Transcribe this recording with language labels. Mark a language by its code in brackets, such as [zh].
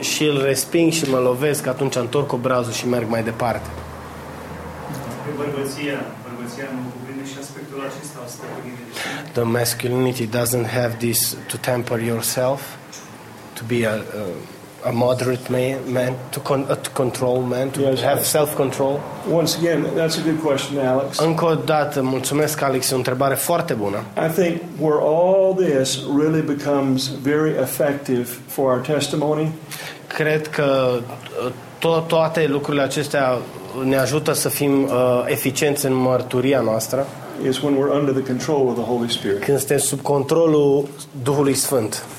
[ro] Și îl resping și mă lovesc, atunci întorc brațul și merg mai departe. Bărbăția nu cuprinde și aspectul acesta, [en] the masculinity doesn't have this to temper yourself, to be a moderate man, to control man, to yes, have self-control. Once again, that's a good question, Alex. [ro] Încă o dată, mulțumesc, Alex, e o întrebare foarte bună. [en] I think where all this really becomes very effective for our testimony. [ro] Cred că toate lucrurile acestea ne ajută să fim eficienți în mărturia noastră. [en] Is when we're under the control of the Holy Spirit. [ro] Când suntem sub controlul Duhului Sfânt.